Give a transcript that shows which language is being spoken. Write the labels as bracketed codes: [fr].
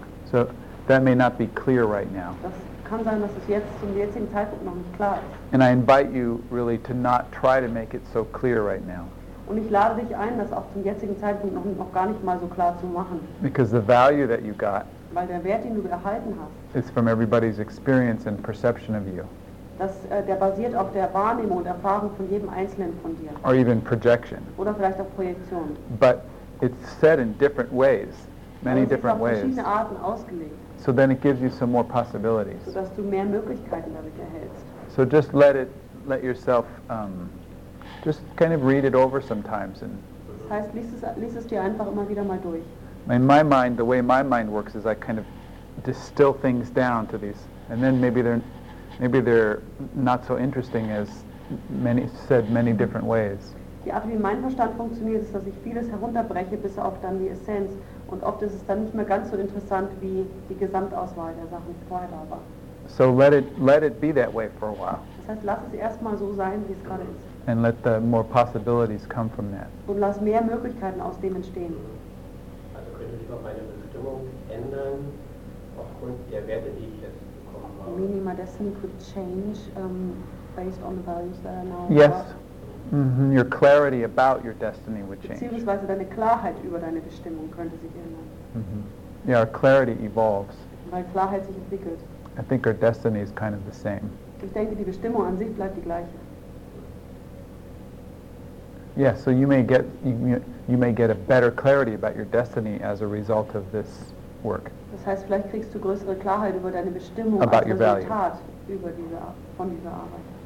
[en] So that may not be clear right now. [de] Das kann sein, dass es jetzt zum jetzigen Zeitpunkt noch nicht klar ist. [en] And I invite you really to not try to make it so clear right now. [de] Und ich lade dich ein, das auch zum jetzigen Zeitpunkt noch gar nicht mal so klar zu machen. [en] Because the value that you got, [de] weil der Wert, den du erhalten hast, [en] is from everybody's experience and perception of you. [de] Das, der basiert auf der Wahrnehmung und Erfahrung von jedem Einzelnen von dir. [en] Or even projection. [de] Oder vielleicht auch Projektion. [en] But it's said in different ways, many different ways. [de] Es ist auf verschiedene Arten ausgelegt. [en] So then it gives you some more possibilities. [de] So dass du mehr Möglichkeiten damit erhältst. [en] So just let yourself, just kind of read it over sometimes. And [de] das heißt, lies es dir einfach immer wieder mal durch. [en] In my mind, the way my mind works is I kind of distill things down to these, and then maybe they're not so interesting as many said many different ways. [de] Die Art, wie mein Verstand funktioniert, ist, dass ich vieles herunterbreche, bis auf dann die Essenz. Und oft ist es dann nicht mehr ganz so interessant, wie die Gesamtauswahl der Sachen vorher da war. [en] So let it be that way for a while. [de] Das heißt, lass es erstmal so sein, wie es gerade ist. [en] And let the more possibilities come from that. [de] Und lass mehr Möglichkeiten aus dem entstehen. Also könnte ich auch meine Bestimmung ändern, aufgrund der Werte, die ich jetzt bekommen habe? [en] Meaning my destiny could change based on the values that I now have? Yes. Mm-hmm. Your clarity about your destiny would change. [de] Beziehungsweise deine Klarheit über deine Bestimmung könnte sich ändern. [en] Mm-hmm. Yeah, our clarity evolves. [de] Weil Klarheit sich entwickelt. [en] I think our destiny is kind of the same. [de] Ich denke, die Bestimmung an sich bleibt die gleiche. [en] Yeah, so you may get a better clarity about your destiny as a result of this work. [de] Das heißt, vielleicht kriegst du größere Klarheit über deine Bestimmung als Resultat von dieser Arbeit.